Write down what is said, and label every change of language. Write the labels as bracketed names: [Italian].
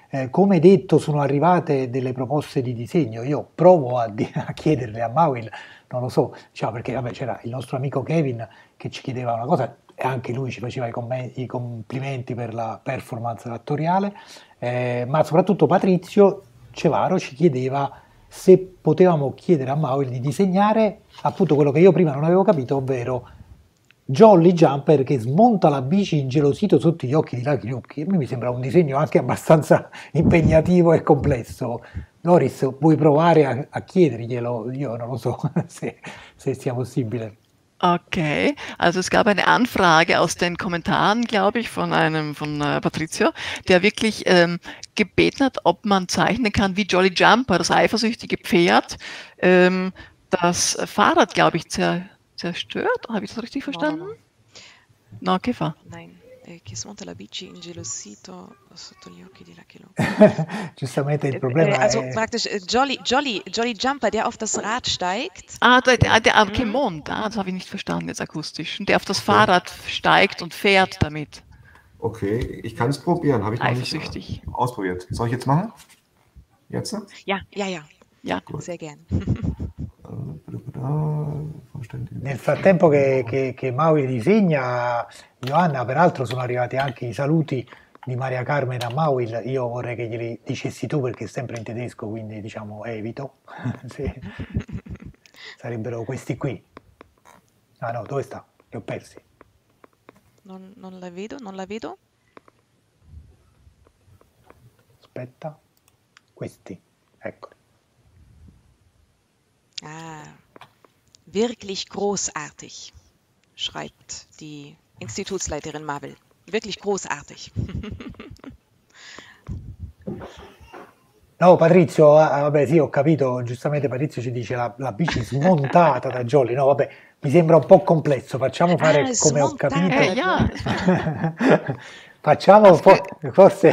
[Italian] Come detto, sono arrivate delle proposte di disegno, io provo a chiederle a Mawil, non lo so, diciamo, perché vabbè, c'era il nostro amico Kevin che ci chiedeva una cosa e anche lui ci faceva i complimenti per la performance attoriale, ma soprattutto Patrizio Cevaro ci chiedeva se potevamo chiedere a Mawil di disegnare appunto quello che io prima non avevo capito, ovvero Jolly Jumper che smonta la bici ingelosito sotto gli occhi di Lucky Luke. A me mi sembra un disegno anche abbastanza impegnativo e complesso. Doris, puoi provare a chiederglielo? Io non lo so se sia possibile. [German] Ok, also es gab eine Anfrage aus den Kommentaren, glaube ich, von Patrizio, der wirklich gebeten hat, ob man zeichnen kann wie Jolly Jumper, das eifersüchtige Pferd, das Fahrrad, glaube ich, zerstört, habe ich das richtig verstanden? [Italian] No, che fa? [German] Nein, [Italian] che smonta la bici ingelosito sotto gli occhi di Lucky Luke. Giustamente il problema [German] Also praktisch Jolly Jumper, der auf das Rad steigt. Ah, der okay, Mond, das habe ich nicht verstanden jetzt akustisch. Der auf das Fahrrad steigt und fährt damit. Okay, ich kann es probieren, habe ich noch nicht ausprobiert. Soll ich jetzt machen? Jetzt? Ja, cool. Sehr gern. [Italian] Nel frattempo che Mauri disegna, Johanna, peraltro sono arrivati anche i saluti di Maria Carmen a Mauri. Io vorrei che glieli dicessi tu, perché è sempre in tedesco, quindi diciamo evito. Sì. Sarebbero questi qui. Ah no, dove sta? Li ho persi. Non la vedo. Aspetta. Questi. Eccoli. Ah. [German] Wirklich großartig, schreibt die Institutsleiterin Mabel. Wirklich großartig. [Italian] No, Patrizio, vabbè, sì, ho capito. Giustamente Patrizio ci dice la bici smontata da Jolly. No, vabbè, mi sembra un po' complesso. Facciamo fare come smontata. Ho capito. Facciamo forse...